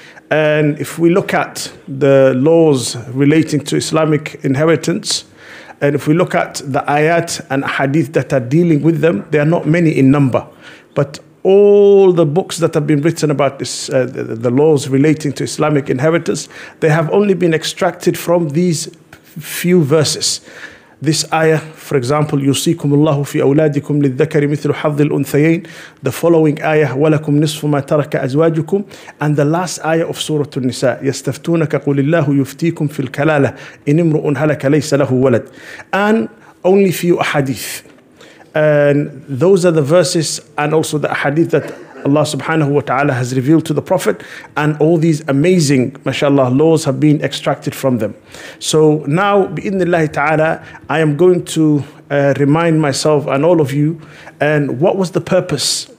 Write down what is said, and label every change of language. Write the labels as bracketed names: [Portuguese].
[English] And if we look at the laws relating to Islamic inheritance, and if we look at the ayat and hadith that are dealing with them, they are not many in number. But all the books that have been written about this, the laws relating to Islamic inheritance, they have only been extracted from these few verses. This ayah, for example, [Arabic] يُوصِيكُمُ اللَّهُ فِي أَوْلَادِكُمْ لِلذَّكَرِ مِثْلُ حَظِّ الْأُنْثَيَيْنِ. [English] The following ayah, [Arabic] وَلَكُمْ نِصْفُ مَا تَرَكَ أَزْوَاجُكُمْ. [English] And the last ayah of Surah An-Nisa, [Arabic] يَسْتَفْتُونَكَ قُلِ اللَّهُ يُفْتِيكُمْ فِي الْكَلَالَةِ إِنْ امْرُؤٌ هَلَكَ لَيْسَ لَهُ وَلَدٌ. [English] And only few ahadith. And those are the verses and also the ahadith that Allah subhanahu wa ta'ala has revealed to the Prophet, and all these amazing, mashallah, laws have been extracted from them. So now, bi'idhnillahi ta'ala, I am going to remind myself and all of you, and what was the purpose?